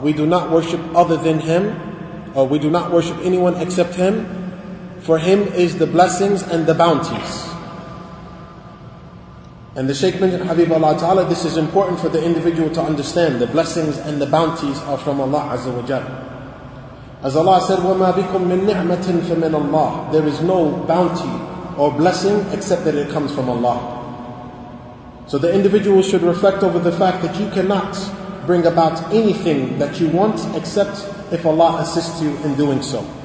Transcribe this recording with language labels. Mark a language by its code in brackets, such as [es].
[en] We do not worship other than Him, or we do not worship anyone except Him. For Him is the blessings and the bounties. And the Shaykh mentioned, Habib Allah Ta'ala, this is important for the individual to understand. The blessings and the bounties are from Allah Azza wa Jal. As Allah said, [ar] وَمَا بِكُم مِّن نِعْمَةٍ فَمِنَ اللَّهِ. [en] There is no bounty or blessing except that it comes from Allah. So the individual should reflect over the fact that you cannot bring about anything that you want except if Allah assists you in doing so.